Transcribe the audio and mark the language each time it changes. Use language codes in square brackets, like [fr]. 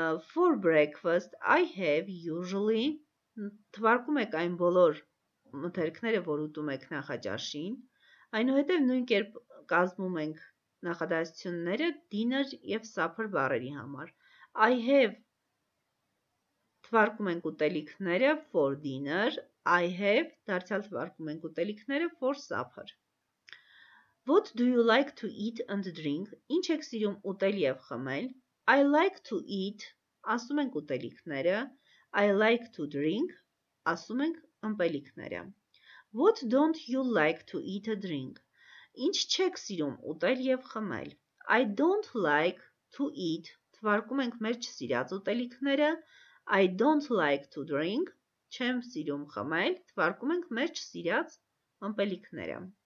[en] For breakfast, I have usually, [hy] թվարկում եք այն բոլոր մթերքները, որ ուտում եք նախաճաշին, այնուհետև նույն կերպ կազմում ենք նախադասությունները dinner եւ supper բառերի համար։ I have, թվարկում ենք ուտելիքները [en] for dinner, [hy] I have, դարձյալ թվարկում ենք ուտելիքները [en] for supper։ What do you like to eat and drink? [hy] Ինչ եք սիրում ուտել եւ խմել? [en] I like to eat, [hy] ասում ենք ուտելիքները, [en] I like to drink, [hy] ասում ենք ըմպելիքները. [en] What don't you like to eat a drink? [hy] Ինչ չեք սիրում ուտել եւ խմել? [en] I don't like to eat. [hy] Թվարկում ենք մեր չսիրած ուտելիքները. [en] I don't like to drink. [hy] Չեմ սիրում խմել. Թվարկում ենք մեր չսիրած ըմպելիքները.